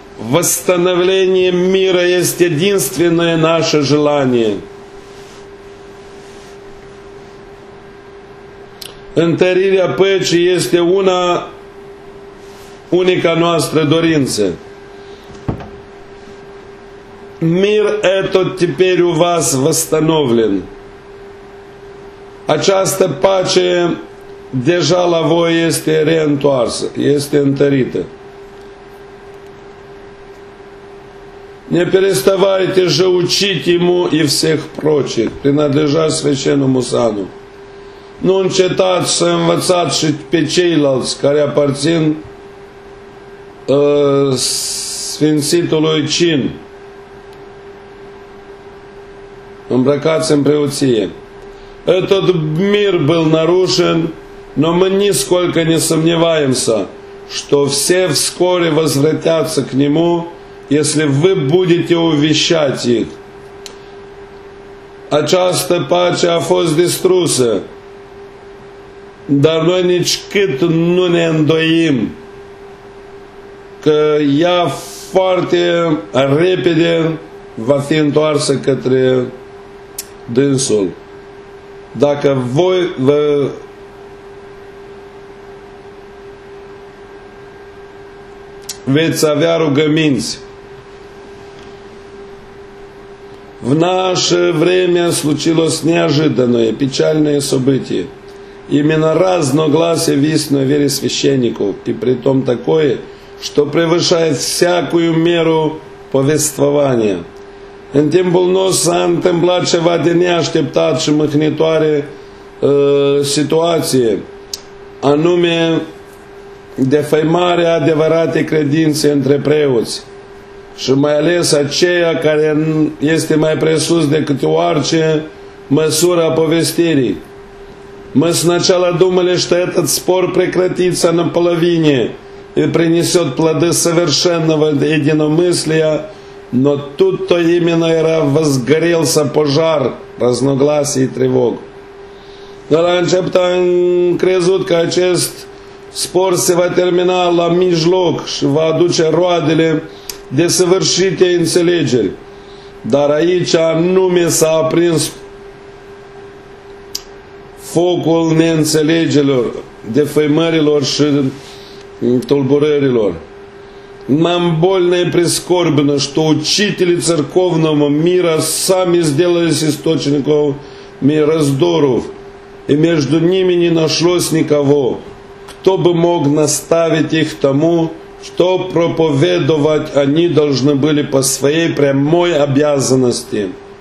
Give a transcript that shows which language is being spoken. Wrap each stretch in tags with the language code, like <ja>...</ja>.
<ru>Văstănăvlenie mira este единственное наше желание.</ru> <ro>Întărirea păcii este una unica noastră dorință.</ro> <ru>Мир этот теперь у вас восстановлен.</ru> <ro>Această pace deja la voi este reîntoarsă, este întărită.</ro> <ru>Не переставайте же учить ему и всех прочих, принадлежа священному сану.</ru> <ro>Nu încetați să învățați și pe ceilalți care aparțin Sfințitului Cin. Îmbrăcați în preoție.</ro> <ru>Этот мир был нарушен, но мы нисколько не сомневаемся, что все вскоре возвратятся к нему, если вы будете увещать их.</ru> <ro>Această pace a fost distrusă, dar noi nicicât nu ne îndoim că ea foarte repede va fi întoarsă către dânsul. Dacă voi vă veți avea rugăminți.</ro> <ru>В наше время случилось неожиданное, печальное событие. Именно разногласие в истинной вере священников, и при том такое, что превышает всякую меру повествования.</ru> <ro>În timpul nostru s-a întâmplat ceva de neașteptat și mâhnitoare situație, anume defăimarea adevăratei credințe între preoți. Și mai ales aceea care este mai presus decât orice măsură a povestirii.</ro> <ru>Мы сначала думали, что этот спор прекратится наполовине и принесет плоды совершенного единомыслия, но тут-то именно и возгорелся пожар разногласий и тревог.</ru> <ro>Dar am început, am crezut că acest spor se va termina la mijloc și va aduce roadele desăvârșite înțelegeri. Dar aici anume s-a aprins focul neînțelegerilor, defăimărilor și tulburărilor.</ro> <ru>M-am больно и прискорбно, что учители церковного мира сами сделались источником мироздоров, и между ними не нашлось никого, кто бы мог наставить их тому, что проповедовать они должны были по своей прямой обязанности.</ru>